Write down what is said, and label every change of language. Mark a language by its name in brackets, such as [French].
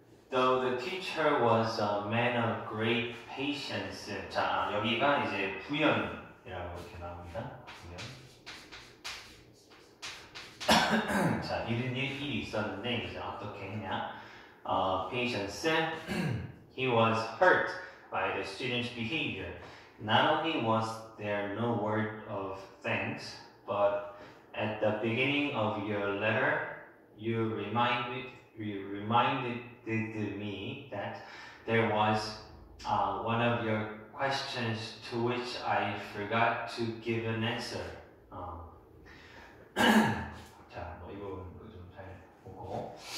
[English] Though the teacher was a man of great patience [Korean] 자 여기가 이제 부연이라고 이렇게 나옵니다 부연. 자 이런 일이 있었는데 이제 어떻게 했냐 [English] patience he was hurt by the student's behavior not only was there no word of thanks but at the beginning of your letter you reminded me that there was one of your questions to which I forgot to give an answer. [Korean] 자, 뭐 이 부분도 좀 잘 보고.